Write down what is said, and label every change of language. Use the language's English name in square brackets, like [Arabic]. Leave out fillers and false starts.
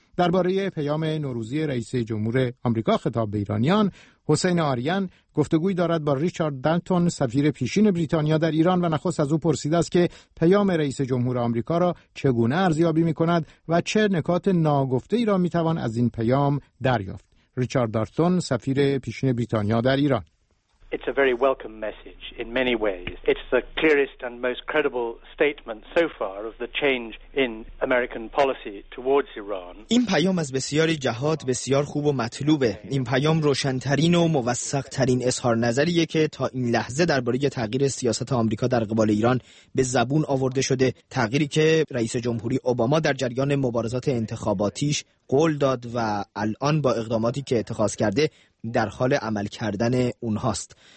[Persian] درباره پیام نوروزی رئیس جمهور آمریکا خطاب به ایرانیان، حسین آریان گفتگوی دارد با ریچارد دالتون سفیر پیشین بریتانیا در ایران و نخست از او پرسیده است که پیام رئیس جمهور آمریکا را چگونه ارزیابی می‌کند و چه نکات ناگفته ای را می‌توان از این پیام دریافت. ریچارد دالتون سفیر پیشین بریتانیا در ایران: [English] It's a very welcome message in many ways. It's the clearest and most credible statement so far of the change in American policy towards Iran. [Persian] این پیام از بسیاری جهات بسیار خوب و مطلوبه. این پیام روشن‌ترین و موثق‌ترین اظهار نظریه که تا این لحظه درباره تغییر سیاست آمریکا در قبال ایران به زبون آورده شده، تغییری که رئیس جمهوری اوباما در جریان مبارزات انتخاباتیش قول داد و الان با اقداماتی که اتخاذ کرده در حال عمل کردن اونهاست.